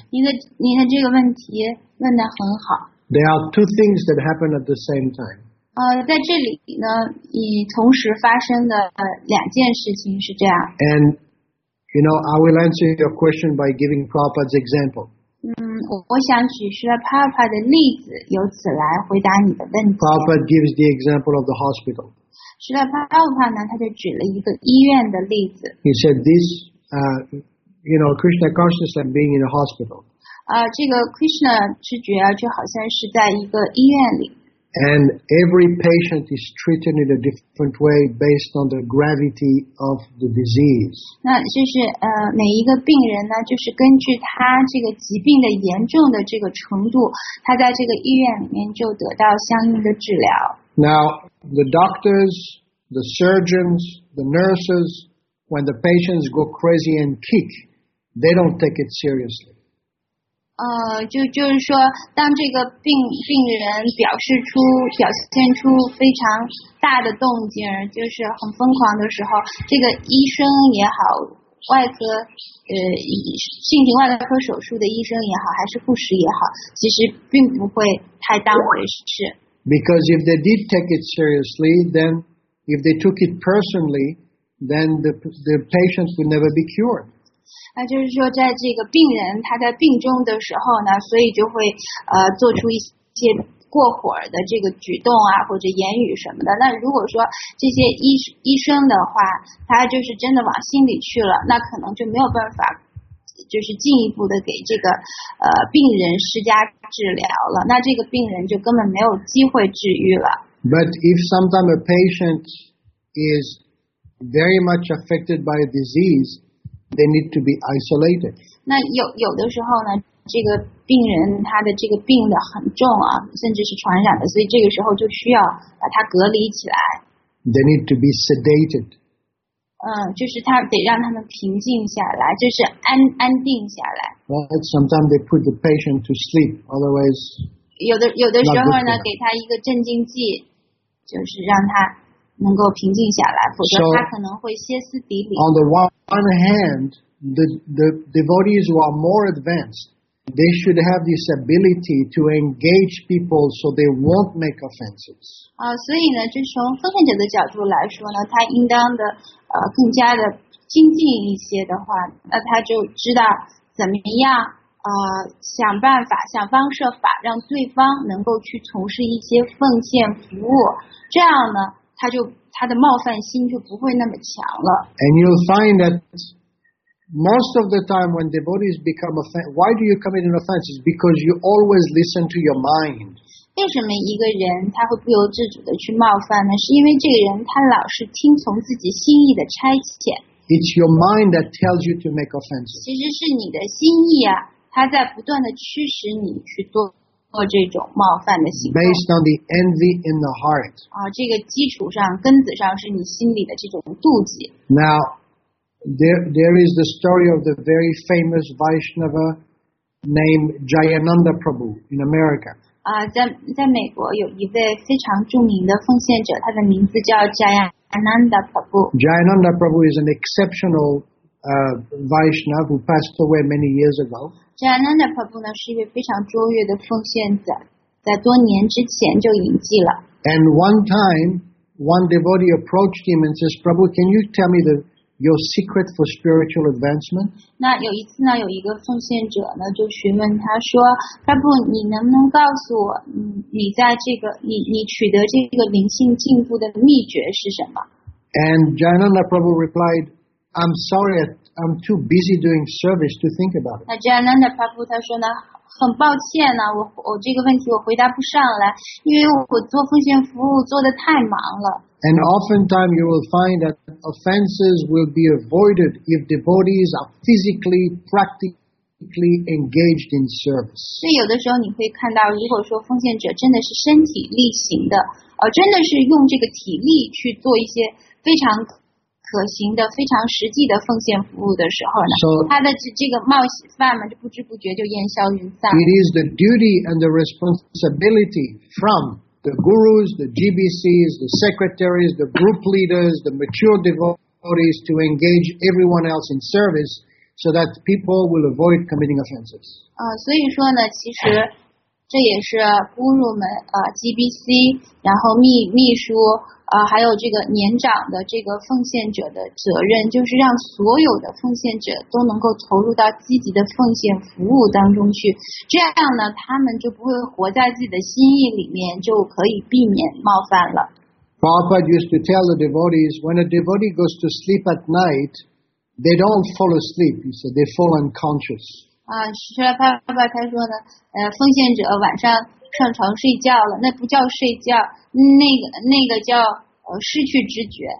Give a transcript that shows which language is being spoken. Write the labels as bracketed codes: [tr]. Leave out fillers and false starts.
[zh] 你的这个问题问得很好。 [en] There are two things that happen at the same time. [zh] 在这里呢，以同时发生的两件事情是这样。 [en] And you know, I will answer your question by giving Prabhupada's example. [zh] 我想举出了 Prabhupada 的例子，由此来回答你的问题。 [en] Prabhupada gives the example of the hospital. [zh] 是的 ，Prabhupada 呢，他就举了一个医院的例子。 [en] He said this, you know, Krishna consciousness and being in a hospital. [zh] 这个 Krishna 知觉就好像是在一个医院里。 [en] And every patient is treated in a different way based on the gravity of the disease. [zh] 那就是每一个病人呢，就是根据他这个疾病的严重的这个程度，他在这个医院里面就得到相应的治疗。 [en] Now, the doctors, the surgeons, the nurses, when the patients go crazy and kick, they don't take it seriously. [zh] 就是说，当这个病人表现出非常大的动静，就是很疯狂的时候，这个医生也好，外科进行外科手术的医生也好，还是护士也好，其实并不会太当回事。 [en] Because if they did take it seriously, then if they took it personally, then the patients would never be cured. [zh] 那就是说，在这个病人他在病中的时候呢，所以就会做出一些过火的这个举动啊，或者言语什么的。那如果说这些医生的话，他就是真的往心里去了，那可能就没有办法，就是进一步的给这个病人施加治疗了。那这个病人就根本没有机会治愈了。 [en] But if sometimes a patient is very much affected by a disease. They need to be isolated. [zh] 那有的时候呢，这个病人他的这个病的很重啊，甚至是传染的，所以这个时候就需要把他隔离起来。 [en] They need to be sedated. [zh] 就是他得让他们平静下来，就是安定下来。 [en] Right, sometimes they put the patient to sleep, otherwise. [zh] 有的时候呢，给他一个镇静剂，就是让他能够平静下来，否则他可能会歇斯底里。 [en] So, on the one hand, the devotees who are more advanced, they should have this ability to engage people so they won't make offenses. [zh] 所以呢，就从奉献者的角度来说呢，他应当的更加的精进一些的话，那他就知道怎么样想办法想方设法让对方能够去从事一些奉献服务，这样呢，他的冒犯心就不会那么强了。 [en] And you'll find that most of the time when devotees become offended, why do you commit an offense? It's because you always listen to your mind. [zh] 为什么一个人他会不由自主的去冒犯呢？是因为这个人他老是听从自己心意的差遣。 [en] It's your mind that tells you to make offenses. [zh] 其实是你的心意啊，它在不断的驱使你去做这种冒犯的行为。 [en] Based on the envy in the heart. [zh] 这个基础上根子上是你心里的这种妒忌。 [en] Now, there is the story of the very famous Vaishnava named Jayananda Prabhu in America. [zh] 在美国有一位非常著名的奉献者，他的名字叫 Jayananda Prabhu. [en] Jayananda Prabhu is an exceptional Vaishnava who passed away many years ago. [zh] Jayananda Prabhu 呢是一位非常卓越的奉献者，在多年之前就隐迹了。 [en] And one time, one devotee approached him and says, "Prabhu, can you tell me your secret for spiritual advancement?" [zh] 那有一次呢，有一个奉献者呢就询问他说 ，Prabhu， 你能不能告诉我，你在这个你取得这个灵性进步的秘诀是什么 [en] ？And Jayananda Prabhu replied, "I'm sorry, I'm too busy doing service to think about it." [zh] 那 Jayananda Prabhu 他说呢，很抱歉呢，我这个问题我回答不上来，因为我做奉献服务做得太忙了。 [en] And oftentimes you will find that offenses will be avoided if devotees are physically, practically engaged in service. [zh] 所以有的时候你会看到，如果说奉献者真的是身体力行的，真的是用这个体力去做一些非常可行的、非常实际的奉献服务的时候呢， so, 他的这个冒犯嘛，就不知不觉就烟消云散。 [en] It is the duty and the responsibility from the gurus, the GBCs, the secretaries, the group leaders, the mature devotees to engage everyone else in service so that people will avoid committing offenses. [zh] 所以说呢，其实这也是 guru 们GBC， 然后秘书还有这个年长的这个奉献者的责任，就是让所有的奉献者都能够投入到积极的奉献服务当中去，这样呢，他们就不会活在自己的心意里面，就可以避免冒犯了。 [en] Prabhupada used to tell the devotees, when a devotee goes to sleep at night, they don't fall asleep, he said, they fall unconscious. [zh] 释迦牟尼他说呢，奉献者晚上上床睡觉了，那不叫睡觉，那个叫失去知觉。